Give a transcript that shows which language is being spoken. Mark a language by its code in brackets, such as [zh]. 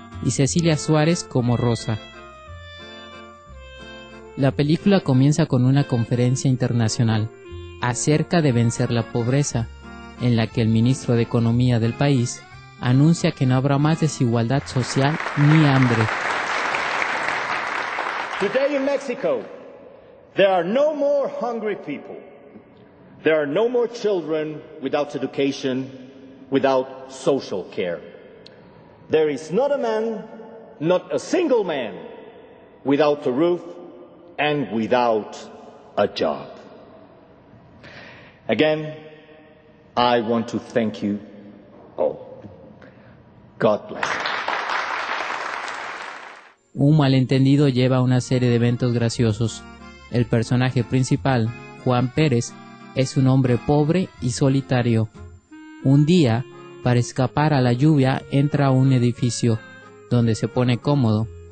[es] y Cecilia Suárez como Rosa. La película comienza con una conferencia internacional acerca de vencer la pobreza, en la que el ministro de Economía del país anuncia que no habrá más desigualdad social ni hambre. [en] Today in Mexico, there are no more hungry people. There are no more children without education, without social care. There is not a man, not a single man, without a roof and without a job. Again, I want to thank you all. God bless you. [es] Un malentendido lleva a una serie de eventos graciosos. El personaje principal, Juan Pérez, es un hombre pobre y solitario. Un día, para escapar a la lluvia, entra a un edificio, donde se pone cómodo.